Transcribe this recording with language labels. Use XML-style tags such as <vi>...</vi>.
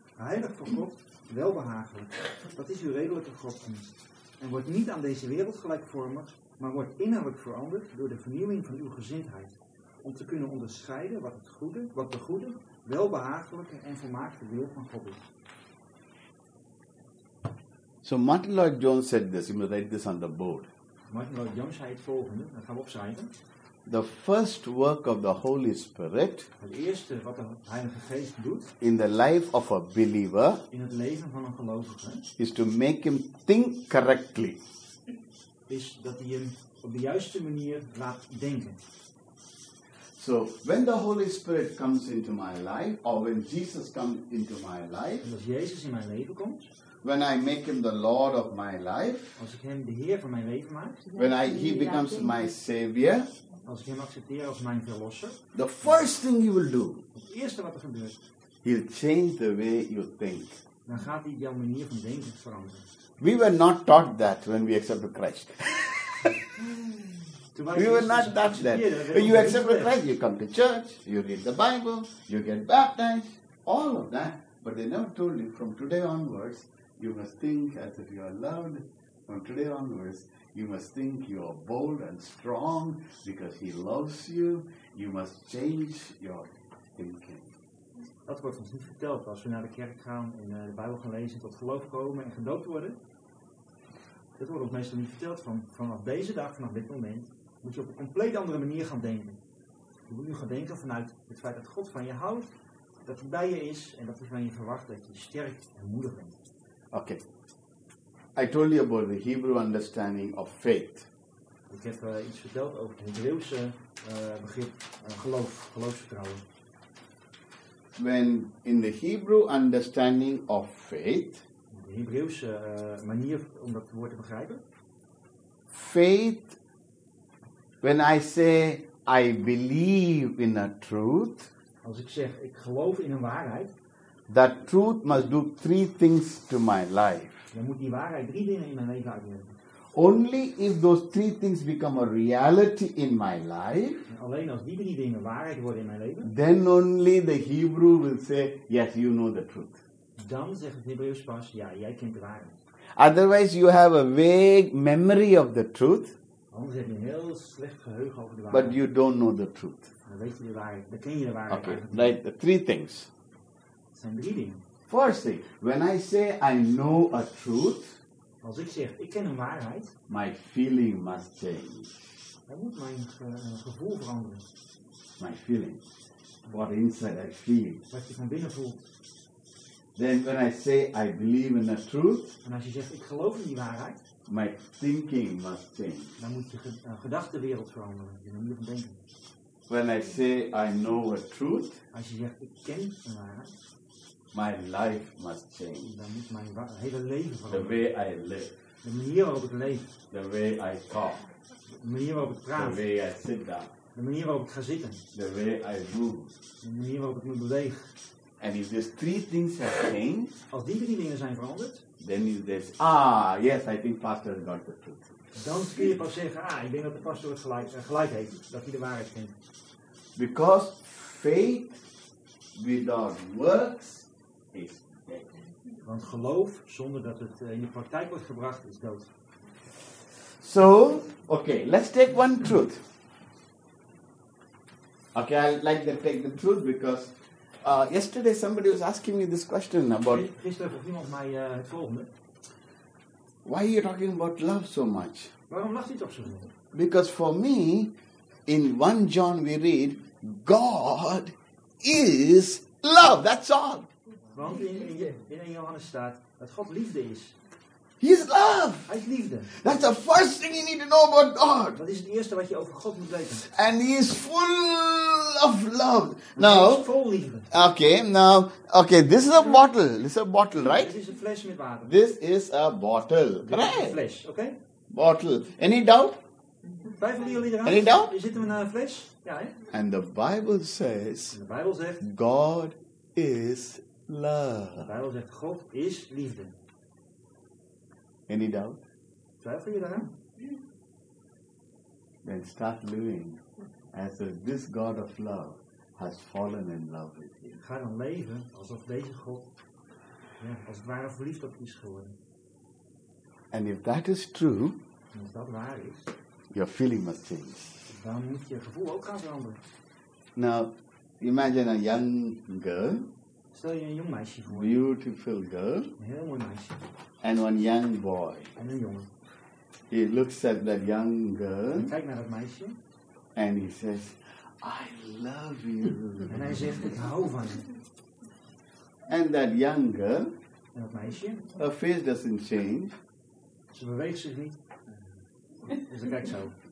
<nl>Heilig voor God, welbehagelijk. Dat is uw redelijke godsdienst. En wordt niet aan deze wereld gelijkvormig, maar wordt innerlijk veranderd door de vernieuwing van uw gezindheid. Om te kunnen onderscheiden wat het goede, wat de goede, welbehagelijke en volmaakte wil van God is.</nl> <en>So Martin Lloyd Jones said this, you must write this on the board.</en> <nl>Martin Lloyd Jones zei het volgende, dat gaan we opschrijven.</nl> <en>The first work of the Holy Spirit.</en> <nl>Het eerste wat de Heilige Geest doet.</nl> <en>In the life of a believer.</en> <nl>In het leven van een gelovige.</nl> <en>Is to make him think correctly.</en> <nl>Is dat hij hem op de juiste manier laat denken.</nl> <en>So when the Holy Spirit comes into my life, or when Jesus comes into my life,</en> <nl>als Jezus in mijn leven komt,</nl> <en>when I make him the Lord of my life,</en> <nl>als ik hem de Heer van mijn leven maak,</nl> <en>when he becomes my Savior,</en> <nl>als ik hem accepteer als mijn verlosser,</nl> <en>the first thing he will do,</en> <nl>het eerste wat er gebeurt,</nl> <en>he'll change the way you think.</en> <nl>Dan gaat hij jouw manier van denken veranderen.</nl> <en>We were not taught that when we accepted Christ. We will not touch that. When you accept Christ, you come to church, you read the Bible, you get baptized, all of that. But they never told you, from today onwards, you must think as if you are loved. From today onwards, you must think you are bold and strong because He loves you. You must change your thinking.</en> <nl>Dat wordt ons niet verteld als we naar de kerk gaan en de Bijbel gaan lezen, tot geloof komen en gedoopt worden. Dat wordt ons meestal niet verteld vanaf deze dag, vanaf dit moment. Moet je op een compleet andere manier gaan denken. Je moet nu gaan denken vanuit het feit dat God van je houdt, dat hij bij je is en dat hij van je verwacht dat je sterk en moedig bent. Oké.</nl> <en>Okay. I told you about the Hebrew understanding of faith.</en> <nl>Ik heb iets verteld over het Hebreeuwse begrip geloof, geloofsvertrouwen.</nl> <en>When in the Hebrew understanding of faith,</en> <nl>de Hebreeuwse manier om dat woord te begrijpen,</nl> <en>faith, when I say I believe in a truth,</en> <nl>als ik zeg ik geloof in een waarheid,</nl> <en>that truth must do three things to my life.</en> <nl>Dan moet die waarheid drie dingen in mijn leven uitwerken.</nl> <en>Only if those three things become a reality in my life,</en> <nl>alleen als die drie dingen waarheid worden in mijn leven,</nl> <en>then only the Hebrew will say, yes, you know the truth.</en> <nl>Dan zegt het Hebreeuws pas, ja, jij kent de waarheid.</nl> <en>Otherwise, you have a vague memory of the truth.</en> <nl>Anders heb je een heel slecht geheugen over de waarheid.</nl> <en>But you don't know the truth.</en> <nl>Dan weet je de waarheid. Dan ken je de waarheid.</nl> <en>Okay, right, the three things.</en> <nl>Het zijn drie dingen.</nl> <en>First thing, when I say I know a truth,</en> <nl>als ik zeg, ik ken een waarheid,</nl> <en>my feeling must change.</en> <nl>Dan moet mijn gevoel veranderen.</nl> <en>My feeling. What inside I feel.</en> <nl>Wat je van binnen voelt.</nl> <en>Then when I say I believe in the truth,</en> <nl>en als je zegt, ik geloof in die waarheid,</nl> <en>my thinking must change.</en> <nl>Dan moet je gedachtenwereld veranderen. Je manier van denken.</nl> <en>When I say I know a truth,</en> <nl>als je zegt, ik ken een waarheid,</nl> <en>my life must change.</en> <nl>Dan moet mijn hele leven veranderen.</nl> <en>The way I live.</en> <nl>De manier waarop ik leef.</nl> <en>The way I talk.</en> <nl>De manier waarop ik praat.</nl> <en>The way I sit down.</en> <nl>De manier waarop ik ga zitten.</nl> <en>The way I move.</en> <nl>De manier waarop ik me beweeg.</nl> <en>And if these three things have changed,</en> <nl>als die drie dingen zijn veranderd,</nl> <en>then is this, ah, yes, I think pastor has got the truth.</en> <nl>Dan kun je pas zeggen, ah, ik denk dat de pastor het gelijk heeft, dat hij de waarheid kent.</nl> <en>Because faith without works is dead.</en> <nl>Want geloof zonder dat het in de praktijk wordt gebracht is dood.</nl> <en>So, okay, let's take one truth. Okay, I like to take the truth because yesterday somebody was asking me this question about</en> <nl>gisteren vroeg iemand mij het volgende.</nl> <en>Why are you talking about love so much?</en> <nl>Waarom lacht u toch zo?</nl> <en>Because for me, in 1 John we read, God is love, that's all.</en> <nl>Want in Johannes staat dat God liefde is.</nl> <en>He is love.</en> <nl>Hij is liefde.</nl> <en>That's the first thing you need to know about God.</en> <nl>Dat is het eerste wat je over God moet weten.</nl> <en>And he is full of love. Now, okay, now, okay, this is a bottle. This is a bottle, right? This is a flesh with water. This is a bottle, right? This is a flesh, okay? Bottle. Any doubt? Any doubt? Is it a flesh? Yeah. And the Bible says, the Bible says, God is love. The Bible says, God is liefde. Any doubt?</en> <nl>Twijfel je daar?</nl> <en>Then start living as if this God of love has fallen in love with you.</en> <nl>Ga dan leven alsof deze God, ja, als het ware verliefd op je is geworden.</nl> <en>And if that is true,</en> <nl>en als dat waar is,</nl> <en>your feeling must change.</en> <nl>Dan moet je gevoel ook gaan veranderen.</nl> <en>Now, imagine a young girl.</en> <nl>Stel je een jong meisje voor.</nl> <en>Beautiful girl.</en> <nl>Een heel mooi meisje.</nl> <en>And one young boy.</en> <nl>En een jongen.</nl> <en>He looks at that young girl.</en> <nl>En kijkt naar dat meisje.</nl> <en>And he says, I love you.</en> <nl>En hij zegt, ik hou van je.</nl> <en>And that young girl.</en> <nl>En dat meisje.</nl> <en>Her face doesn't change.</en> <nl>Ze beweegt zich niet. Dus dan kijk zo.</nl>